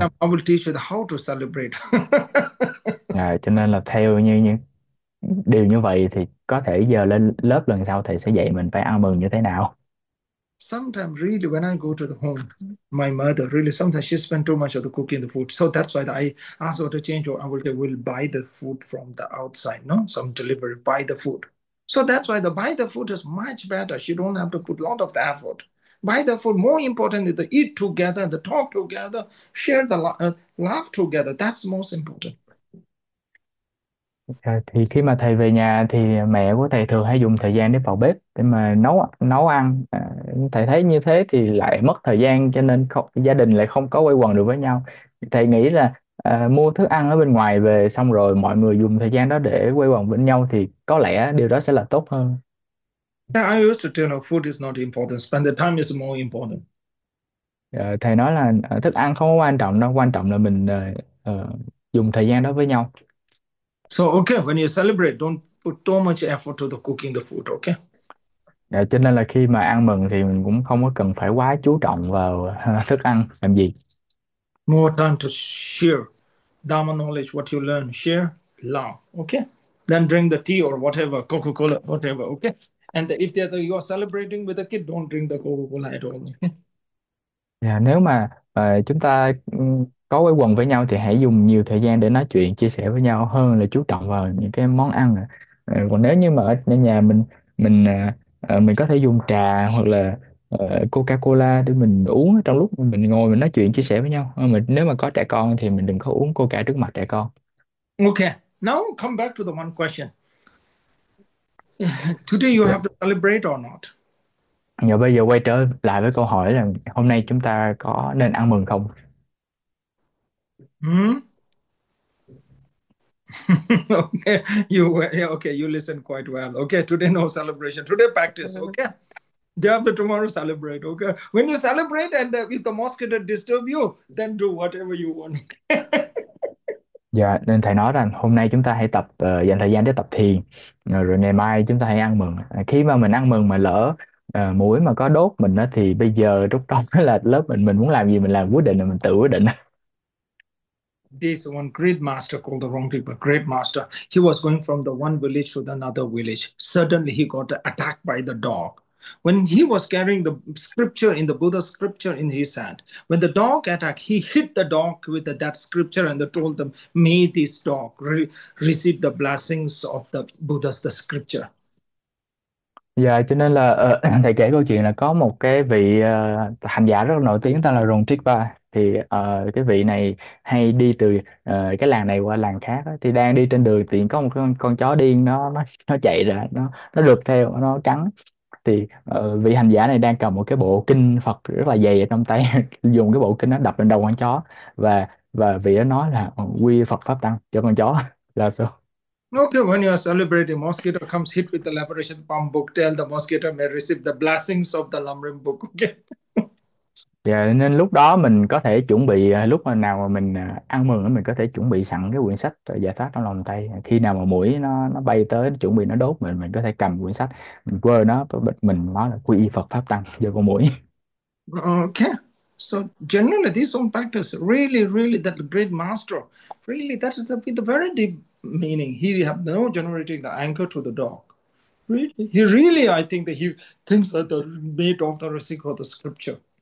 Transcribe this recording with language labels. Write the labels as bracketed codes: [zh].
[en] time I will teach you how to celebrate. [vi] Dạ, cho nên là theo như những điều như vậy thì có thể giờ lên lớp lần sau thầy sẽ dạy mình phải ăn mừng như thế nào. [en] Sometimes, really, when I go to the home, my mother, really, sometimes she spends too much of the cooking the food. So that's why I ask her to change or I will buy the food from the outside, no? Some delivery, buy the food. So that's why the buy the food is much better. She don't have to put a lot of the effort. Buy the food, more importantly, the eat together, the talk together, share the laugh together. That's most important. [vi] Thì khi mà thầy về nhà thì mẹ của thầy thường hay dùng thời gian để vào bếp để mà nấu nấu ăn. Thầy thấy như thế thì lại mất thời gian, cho nên gia đình lại không có quây quần được với nhau. Thầy nghĩ là mua thức ăn ở bên ngoài về xong rồi mọi người dùng thời gian đó để quây quần bên nhau thì có lẽ điều đó sẽ là tốt hơn. [en] I used to tell you, food is not important. Spend the time is more important. [vi] Thầy nói là thức ăn không có quan trọng đâu, quan trọng là mình dùng thời gian đó với nhau. [en] So, okay, when you celebrate, don't put too much effort to the cooking the food, okay? [vi] Dạ, cho nên là khi mà ăn mừng thì mình cũng không có cần phải quá chú trọng vào thức ăn làm gì. [en] More time to share Dharma knowledge, what you learn, share, love, okay? Then drink the tea or whatever, Coca-Cola, whatever, okay? And if they're you are celebrating with a kid, don't drink the Coca-Cola at all. [vi] Dạ, nếu mà chúng ta có quây quần với nhau thì hãy dùng nhiều thời gian để nói chuyện, chia sẻ với nhau hơn là chú trọng vào những cái món ăn. Còn nếu như mà ở nhà mình có thể dùng trà hoặc là Coca-Cola để mình uống trong lúc mình ngồi mình nói chuyện chia sẻ với nhau. Mình nếu mà có trẻ con thì mình đừng có uống Coca trước mặt trẻ con. [en] Okay, now come back to the one question. Today you have to celebrate or not? [vi] Và bây giờ quay trở lại với câu hỏi là hôm nay chúng ta có nên ăn mừng không? [en] Okay, you listen quite well. Okay, today no celebration. Today practice, okay? Day after tomorrow celebrate, okay? When you celebrate and if the mosquito didn't disturb you, then do whatever you want. [vi] Dạ, nên thầy nói rằng hôm nay chúng ta hãy tập dành thời gian để tập thiền, rồi ngày mai chúng ta hãy ăn mừng. Khi mà mình ăn mừng mà lỡ muỗi mà có đốt mình đó, thì bây giờ lúc đó là lớp mình muốn làm gì mình làm, quyết định là mình tự quyết định. [en] This one great master called the wrong people. Great master. He was going from the one village to another village. Suddenly, he got attacked by the dog. When he was carrying the scripture in the Buddha scripture in his hand, when the dog attacked, he hit the dog with that scripture and told them, "May this dog receive the blessings of the Buddha's the scripture." [vi] Dạ, cho nên là thầy kể câu chuyện là có một cái vị hành giả rất là nổi tiếng tên là Rongtrigpa. Thì cái vị này hay đi từ cái làng này qua làng khác đó. Thì đang đi trên đường thì có một con chó điên nó chạy ra, nó rượt theo, nó cắn. Thì vị hành giả này đang cầm một cái bộ kinh Phật rất là dày ở trong tay, dùng cái bộ kinh nó đập lên đầu con chó, và vị đó nói là quy Phật Pháp Tăng cho con chó là sao. [en] Okay, when you are celebrating, mosquito comes hit with the liberation palm book, tell the mosquito may receive the blessings of the Lamrim book, okay? [vi] Dạ, nên lúc đó mình có thể chuẩn bị, lúc mà nào mà mình ăn mừng mình có thể chuẩn bị sẵn cái quyển sách giải thoát trong lòng tay, khi nào mà muỗi nó bay tới nó chuẩn bị nó đốt mình có thể cầm quyển sách mình quơ nó, mình nói là quy y Phật Pháp Tăng giờ con muỗi. [en] Okay. So generally, this own practice really, really that great master, really that is the very deep meaning. He have no generating the anger to the dog. Really, he really, I think that he thinks that the made of the receipt of the scripture.